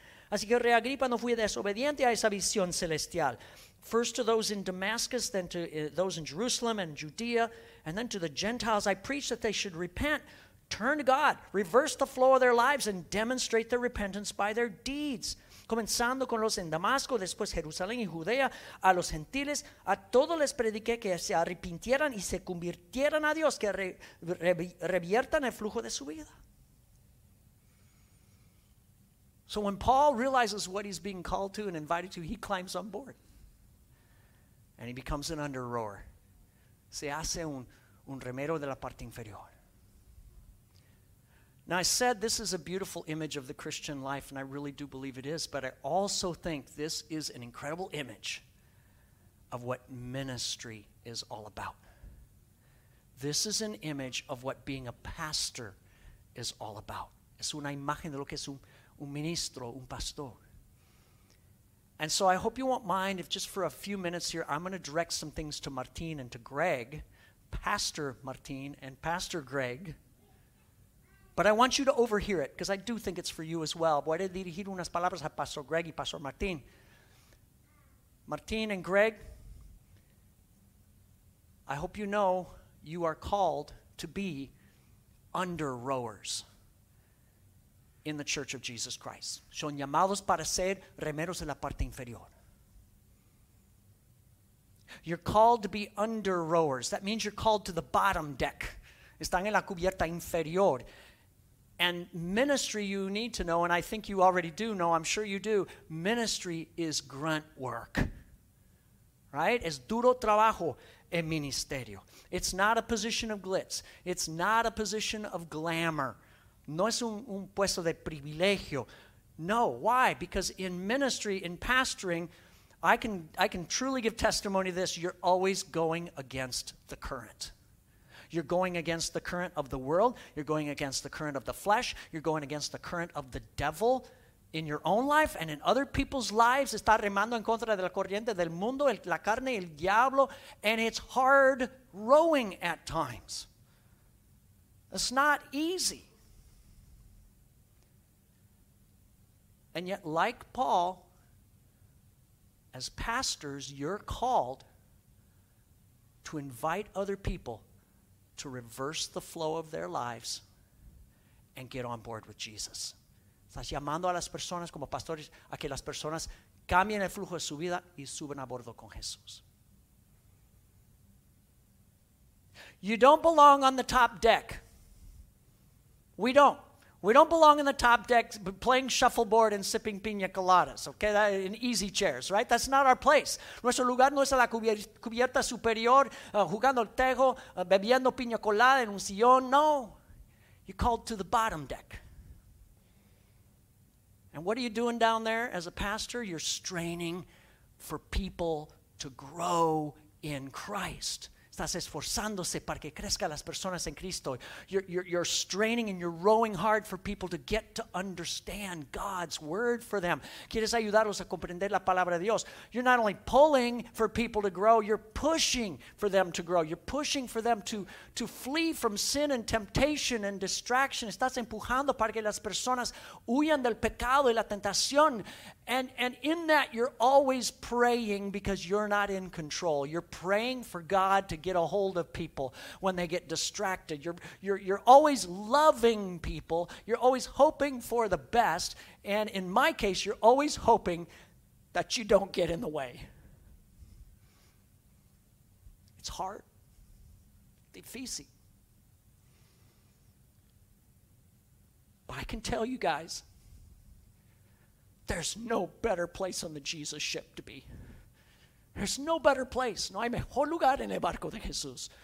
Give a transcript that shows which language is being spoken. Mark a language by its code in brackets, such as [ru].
[es] Así que, Rey Agripa, no fui desobediente a esa visión celestial. [en] First to those in Damascus, then to those in Jerusalem and Judea, and then to the Gentiles, I preached that they should repent. Turn to God, reverse the flow of their lives, and demonstrate their repentance by their deeds. [es] Comenzando con los en Damasco, después Jerusalén y Judea, a los gentiles, a todos les prediqué que se arrepintieran y se convirtieran a Dios, que reviertan el flujo de su vida. [en] So when Paul realizes what he's being called to and invited to, he climbs on board. And he becomes an under-rower. [es] Se hace un remero de la parte inferior. [en] Now, I said this is a beautiful image of the Christian life, and I really do believe it is, but I also think this is an incredible image of what ministry is all about. This is an image of what being a pastor is all about. [es] Es una imagen de lo que es un ministro, un pastor. [en] And so I hope you won't mind if just for a few minutes here, I'm going to direct some things to Martin and to Greg, Pastor Martin and Pastor Greg. But I want you to overhear it, because I do think it's for you as well. [es] Voy a dirigir unas palabras a Pastor Greg y Pastor Martin. [en] Martin and Greg, I hope you know you are called to be under rowers in the Church of Jesus Christ. [es] Son llamados para ser remeros en la parte inferior. [en] You're called to be under rowers. That means you're called to the bottom deck. [es] Están en la cubierta inferior. [en] And ministry, you need to know, and I think you already do know, I'm sure you do, ministry is grunt work, right? [es] Es duro trabajo en ministerio. [en] It's not a position of glitz. It's not a position of glamour. [es] No es un puesto de privilegio. [en] No, why? Because in ministry, in pastoring, I can truly give testimony to this, you're always going against the current. You're going against the current of the world. You're going against the current of the flesh. You're going against the current of the devil in your own life and in other people's lives. [es] Está remando en contra de la corriente del mundo, la carne, el diablo. [en] And it's hard rowing at times. It's not easy. And yet, like Paul, as pastors, you're called to invite other people to reverse the flow of their lives and get on board with Jesus. [es] Estás llamando a las personas como pastores a que las personas cambien el flujo de su vida y suban a bordo con Jesús. [en] You don't belong on the top deck. We don't. We don't belong in the top deck playing shuffleboard and sipping piña coladas, okay? That, in easy chairs, right? That's not our place. [es] Nuestro lugar no es a la cubierta superior, jugando el tejo, bebiendo piña colada en un sillón. [en] No. You're called to the bottom deck. And what are you doing down there as a pastor? You're straining for people to grow in Christ. [es] estás esforzándose para que crezca las personas en Cristo. [en] You're straining and you're rowing hard for people to get to understand God's word for them. [es] Quieres ayudarlos a comprender la palabra de Dios. [en] You're not only pulling for people to grow, you're pushing for them to grow. You're pushing for them to flee from sin and temptation and distraction. [es] Estás empujando para que las personas huyan del pecado y la tentación. [en] And in that, you're always praying because you're not in control. You're praying for God to get a hold of people when they get distracted. You're always loving people. You're always hoping for the best. And in my case, you're always hoping that you don't get in the way. It's hard. [es] Difícil. [en] But I can tell you guys, there's no better place on the Jesus ship to be. There's no better place. [es] No hay mejor lugar en el barco de Jesús.